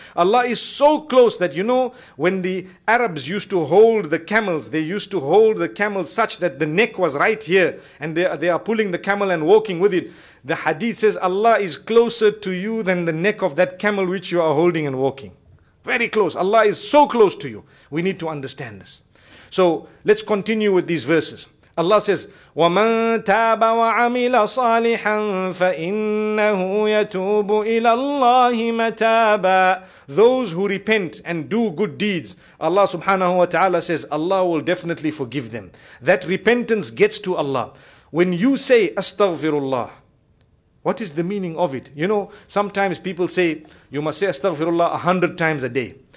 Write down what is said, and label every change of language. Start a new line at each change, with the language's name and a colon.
English: Allah is so close that, you know, when the Arabs used to hold the camels, they used to hold the camel such that the neck was right here, and they are pulling the camel and walking with it. The hadith says, Allah is closer to you than the neck of that camel which you are holding and walking. Very close. Allah is so close to you. We need to understand this. So let's continue with these verses. Allah says,
Arabic: وَمَن تَابَ وَعَمِلَ صَالِحًا فَإِنَّهُ يَتُوبُ إِلَى اللَّهِ مَتَابًا.
English: Those who repent and do good deeds, Allah subhanahu wa ta'ala says, Allah will definitely forgive them. That repentance gets to Allah. When you say, Astaghfirullah, what is the meaning of it? You know, sometimes people say, you must say Astaghfirullah 100 times a day.